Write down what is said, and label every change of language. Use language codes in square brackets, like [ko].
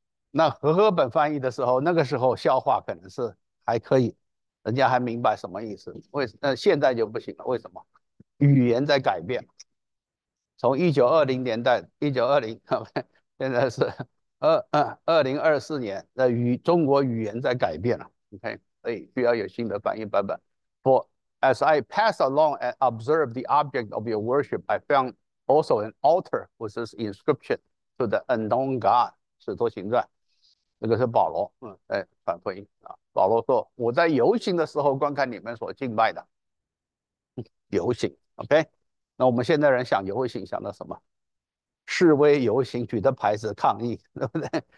[zh] 那和合本翻译的时候，那个时候消化可能是还可以，人家还明白什么意思，现在就不行了，为什么？语言在改变，从1920年代，1920，现在是2024年，那中国语言在改变了 ，OK？所以需要有新的翻译版本。 [en] For as I pass along and observe the object of your worship, I found also an altar with this inscription to the unknown God. [zh] 使徒行传，这个是保罗，反福音啊。保罗说，我在游行的时候观看你们所敬拜的，游行。 OK， 那我们现在人想游行想到什么？示威游行，举着牌子抗议，对不对？